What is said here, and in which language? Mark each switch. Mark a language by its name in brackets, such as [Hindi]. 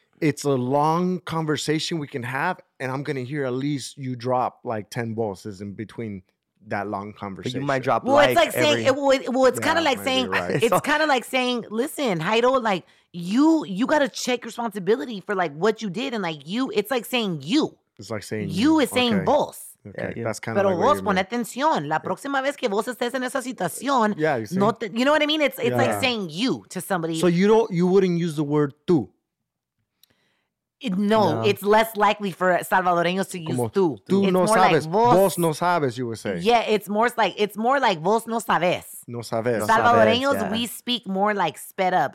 [English] It's a long conversation we can have, and I'm gonna hear at least you drop like 10 bosses in between that long conversation. But you might drop. Well, like it's like saying, it's kind of like saying, listen, Haido, like you got to check responsibility for like what you did, and like you, it's like saying you. It's like saying you is saying boss. Okay, yeah, that's kind [Spanish] pero [English] of like [Spanish] vos, pon atención. La próxima vez que vos estés en esa situación, [English] you know what I mean? It's like saying you to somebody. So you don't, you wouldn't use the word tú. No, it's less likely for Salvadoreños to use [Spanish] como, tú. Tú [English] it's [Spanish] no sabes. [English] Like [Spanish] vos no sabes, [English] you would say. Yeah, it's more like [Spanish] vos no sabes. No sabes. [English] Salvadoreños, we speak more like sped up.